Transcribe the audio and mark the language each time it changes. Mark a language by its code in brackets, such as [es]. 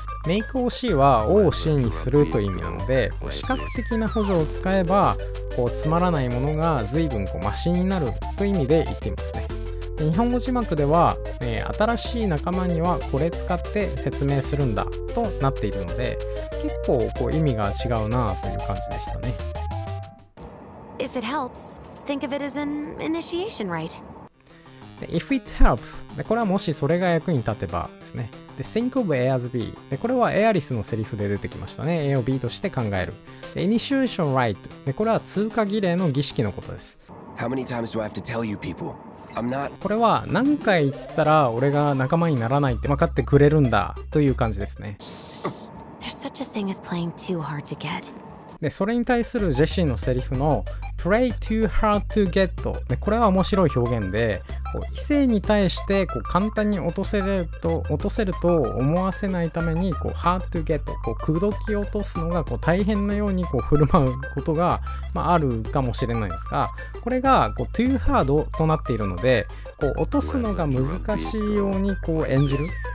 [en] make OC [ja] は O を C にするという意味なので、こう視覚的な補助を使えば、こうつまらないものが随分こうマシになるという意味で言っていますね。で、日本語字幕では、新しい仲間にはこれ使って説明するんだとなっているので、結構こう意味が違うなという感じでしたね。 [en] If it helps, think of it as an initiation rite. で、 If it helps、で、これはもしそれが役に立てばですね。で、 Think of A as B、で、これはエアリスのセリフで出てきましたね。 A を B として考える。 Initiation Rite、で、これは通過儀礼の儀式のことです。 How many times do I have to tell you people? I'm not... [ja] これは何回言ったら俺が仲間にならないって分かってくれるんだという感じですね。 [en] There's such a thing as playing too hard to get. [ja] で、それに対するジェシーのセリフの [en] Play too hard to get、 [ja] で、これは面白い表現で、異性に対してこう簡単に落とせると思わせないために、こう [en] hard to get、 [ja] こう口説き落とすのがこう大変なようにこう振る舞うことが、まあ、あるかもしれないですが、これがこう too hard となっているので、こう落とすのが難しいようにこう演じる、